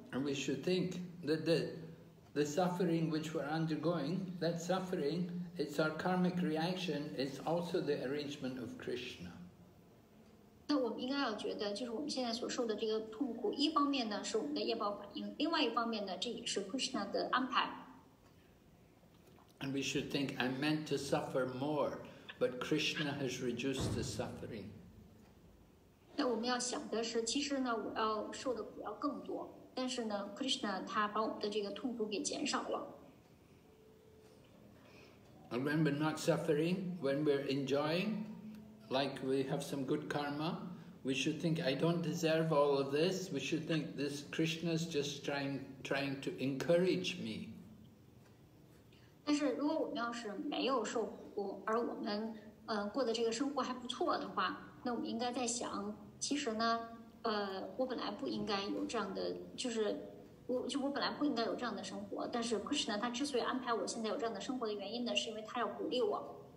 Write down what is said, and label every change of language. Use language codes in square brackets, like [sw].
[en] And we should think that the suffering which we're undergoing, that suffering. It's our karmic reaction, it's also the arrangement of Krishna. [zh] 那我们应该要觉得就是我们现在所受的这个痛苦，一方面呢是我们的业报反应，另外一方面呢这也是 Krishna 的安排。 [en] And we should think, I'm meant to suffer more, but Krishna has reduced the suffering. [zh] 那我们要想的是，其实呢我要受的苦要更多，但是呢 Krishna 他把我们的这个痛苦给减少了。 [en] And when we're not suffering, when we're enjoying, like we have some good karma, we should think, I don't deserve all of this. We should think, this Krishna's just trying to encourage me. [zh] 但是如果我们要是没有受苦，而我们过的这个生活还不错的话，那我们应该在想，其实呢，我本来不应该有这样的，就我本来不应该有这样的生活，但是 Krishna 他之所以安排我现在有这样的生活的原因呢，是因为他要鼓励我。